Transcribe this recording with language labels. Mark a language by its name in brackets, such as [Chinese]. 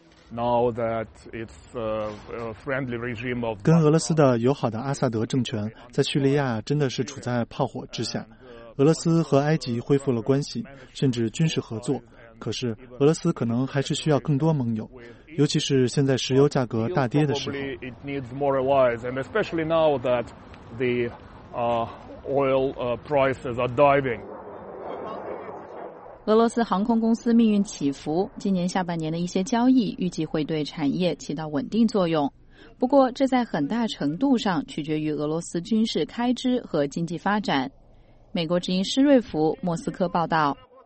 [English] Now that it's a friendly regime of [Chinese] 跟俄罗斯的友好的阿萨德政权在叙利亚真的是处在炮火之下，俄罗斯和埃及恢复了关系，甚至军事合作。可是俄罗斯可能还是需要更多盟友，尤其是现在石油价格大跌的时候。 [English] It needs more allies, and especially now that the oil prices are diving. [Chinese] 俄罗斯航空公司命运起伏，今年下半年的一些交易预计会对产业起到稳定作用。不过，这在很大程度上取决于俄罗斯军事开支和经济发展。美国之音施瑞福，莫斯科报道。